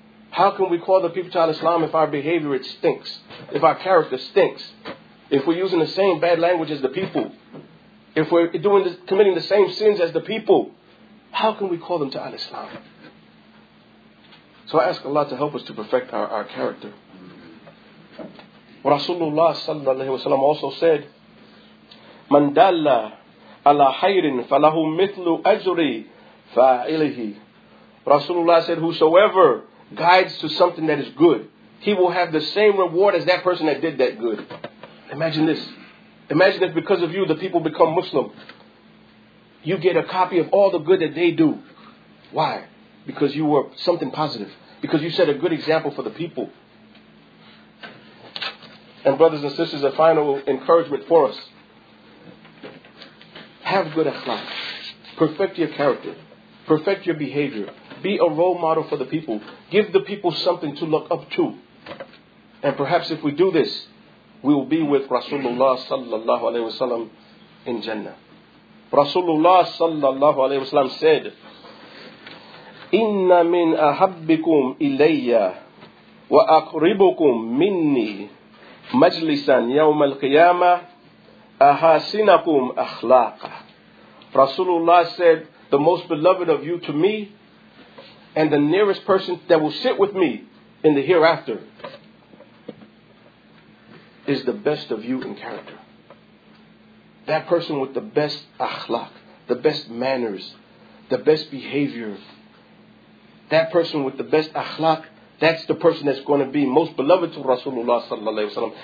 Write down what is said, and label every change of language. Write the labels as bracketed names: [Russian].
[English] How can we call the people to Islam if our behavior it stinks, if our character stinks, if we're using the same bad language as the people, if we're committing the same sins as the people? How can we call them to Islam? So I ask Allah to help us to perfect our character. Rasulullah sallallahu alayhi wa sallam also said, [Arabic] مَنْ دَلَّ عَلَىٰ حَيْرٍ فَلَهُ مِثْلُ أَجْرِ فَاعِلِهِ. [English] Rasulullah said, whosoever guides to something that is good, he will have the same reward as that person that did that good. Imagine this. Imagine if because of you, the people become Muslim. You get a copy of all the good that they do. Why? Because you were something positive. Because you set a good example for the people. And brothers and sisters, a final encouragement for us. Have good akhlaq. Perfect your character. Perfect your behavior. Be a role model for the people. Give the people something to look up to. And perhaps if we do this, we will be with Rasulullah sallallahu alayhi wa sallam in Jannah. Rasulullah sallallahu alayhi wa sallam said, [Arabic] إِنَّ مِنْ أَحَبِّكُمْ إِلَيَّ وَأَقْرِبُكُمْ مِنِّي مَجْلِسًا يَوْمَ الْقِيَامَةِ أَحَاسِنَكُمْ أَخْلَاقًا. [English] Rasulullah said, the most beloved of you to me and the nearest person that will sit with me in the hereafter is the best of you in character. That person with the best akhlaq, the best manners, the best behavior, that person with the best akhlaq, that's the person that's going to be most beloved to Rasulullah sallallahu alaihi wasallam.